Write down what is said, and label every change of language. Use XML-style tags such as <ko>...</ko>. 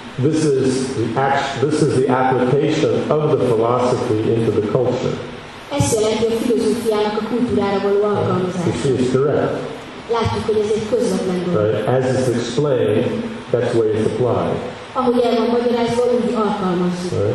<en>This is the application of the philosophy into the culture.</en> <hu>Ezt jelenti a filozófia a kultúrára való alkalmazása.</hu> <en>This is correct.</en> <hu>Látjuk, hogy ez egy közvetlen dolog.</hu> <en>Right. As is explained, that's where it's applied.</en> <hu>Ahogy el van magyarázva, úgy alkalmazzuk.</hu>